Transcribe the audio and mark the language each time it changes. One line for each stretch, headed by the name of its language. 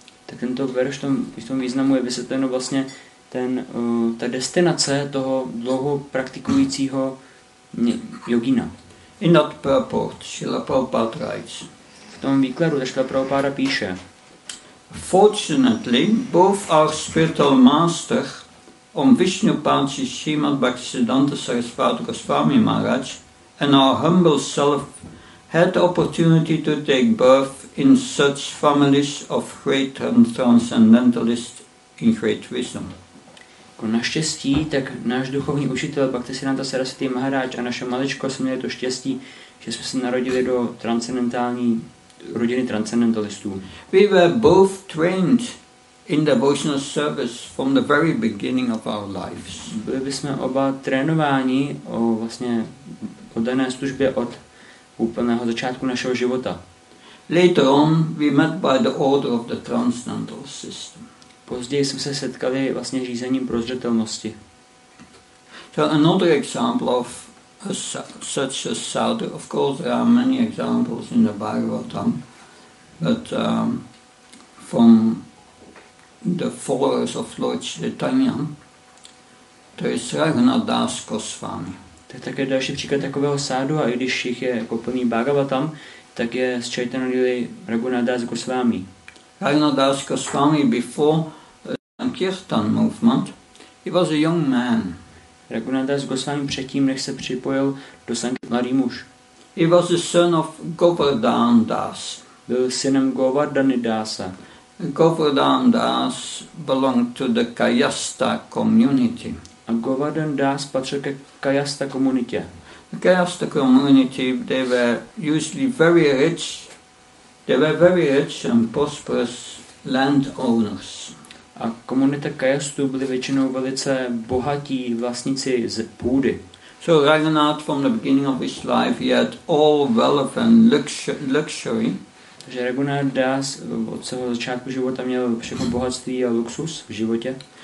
Czech: Tak tento verš v tom významu je vysvětleno vlastně ta destinace toho dlouho praktikujícího jogina.
English: In that purport, Srila Prabhupada writes.
Czech: V tom výkladu Srila Prabhupada píše.
English: Fortunately, both our spiritual master, Om Vishnupadji Srimad Bhaktisiddhanta Sarasvati Goswami Maharaj, and our humble self had the opportunity to take birth in such families of great transcendentalists in great wisdom.
Czech: Naštěstí, tak náš duchovní učitel Bhaktisiddhanta Sarasvati Maharaj a naše maličko jsme měli to štěstí, že jsme se narodili do transcendentální rodiny transcendentalistů.
English: We were both trained in devotional service from the very beginning of our lives.
Czech: Byli bychom oba trénováni o vlastně o dané službě od úplného začátku našeho života.
English: Later on we met by the order of the transcendental system.
Czech: Později jsme se setkali vlastně řízením prozřetelnosti.
English: So another example of such a sadhu, of course there are many examples in the Bhagavatam, but from the followers of Lord Chaitanya,
Czech: to je
English: Raghunath Das Goswami.
Czech: To je také další příklad takového sádu, a i když jich je jako plný Bhagavatam, tak je z Chaitanya Lily Raghunath Das Goswami.
English: Raghunath Das Goswami before Sankirtan movement, he was a young man.
Czech: Raghunath Das Goswami předtím, než se připojil do Sankirtan, mladý muž.
English: He was the son of Govardhan Das.
Czech: Byl synem Govardhany Dasa.
English: Govardhan Das belonged to the Kayasta community.
Czech: A Govardhan Das patřil ke Kayasta komunitě.
English: The Kayasta community, they were usually very rich. They were very rich and prosperous landowners.
Czech: A komunita Kayastů byly většinou velice bohatí vlastníci z půdy.
English: So Raghunath from the beginning of his life he had all wealth and luxury.
Czech: Takže Raghunath Das od svého začátku života měl všechno bohatství a luxus v životě.